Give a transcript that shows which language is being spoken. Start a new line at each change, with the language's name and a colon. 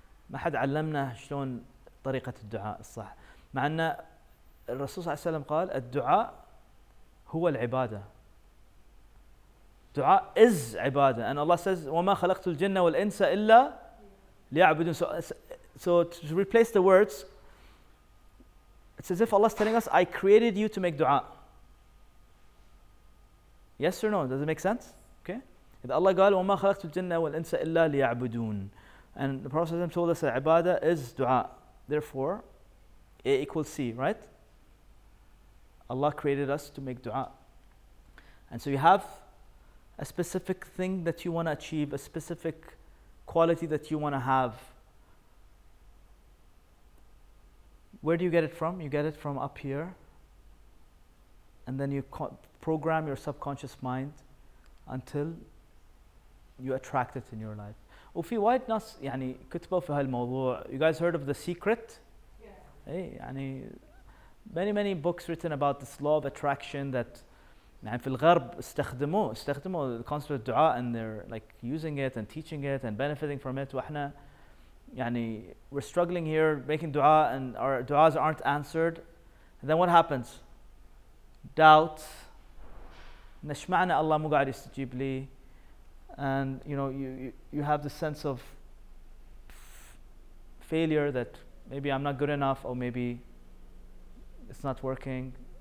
Arabic: ما حد علمنا شلون طريقة الدعاء الصح. مع أن الرسول صلى الله عليه وسلم قال الدعاء هو العبادة. دعاء
English: is
Arabic: عبادة.
English: And Allah says
Arabic: وما خلقت الجن والإنس إلا ليعبدون.
English: So to replace the words, it's as if Allah is telling us, I created you to make dua. Yes or no? Does it make sense? Okay. If Allah
Arabic: قال وما خلقت الجنة والإنس إلا ليعبدون,
English: and the Prophet told us that ibada is dua. Therefore, A equals C, right? Allah created us to make dua. And so you have a specific thing that you want to achieve, a specific quality that you want to have. Where do you get it from? You get it from up here. And then you program your subconscious mind until you attract it in your life.
Arabic: وفي وايد ناس يعني كتبوا في هالموضوع.
English: You guys heard of The Secret? Yeah. Hey, يعني many, many books written about this law of attraction that
Arabic: يعني في الغرب استخدموا
English: the concept of دعاء, and they're like using it and teaching it and benefiting from it.
Arabic: وإحنا يعني
English: we're struggling here making دعاء and our دعاءs aren't answered. And then what happens? Doubt.
Arabic: نشمعنا الله مو قاعد يستجيب لي.
English: And you know, you have the sense of failure that maybe I'm not good enough or maybe it's not working.